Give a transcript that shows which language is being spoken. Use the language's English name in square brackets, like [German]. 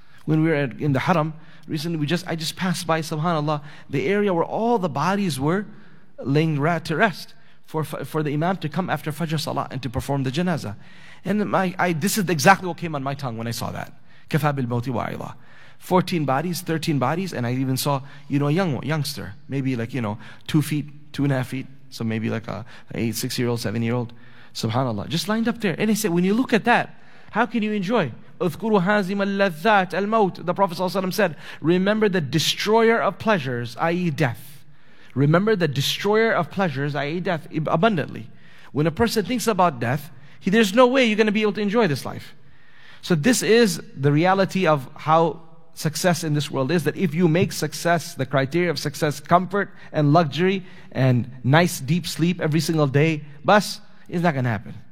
[English] When we were in the haram, recently I just passed by, subhanAllah, the area where all the bodies were laying to rest for the imam to come after Fajr Salah and to perform the janazah. And this is exactly what came on my tongue when I saw that. [Arabic] كَفَى بِالْمَوْتِ وَعِظًا. [English] 14 bodies, 13 bodies, and I even saw, you know, a youngster, maybe like, you know, 2 feet, 2.5 feet, so maybe like an 8, 6-year-old, 7-year-old, subhanAllah, just lined up there. And he said, when you look at that, how can you enjoy? [Arabic] اذكروا هازم اللذات الموت. [English] The Prophet ﷺ said, remember the destroyer of pleasures, i.e. death. Remember the destroyer of pleasures, i.e. death, abundantly. When a person thinks about death, there's no way you're going to be able to enjoy this life. So this is the reality of how success in this world is, that if you make success, the criteria of success, comfort and luxury and nice deep sleep every single day, bas, it's not going to happen.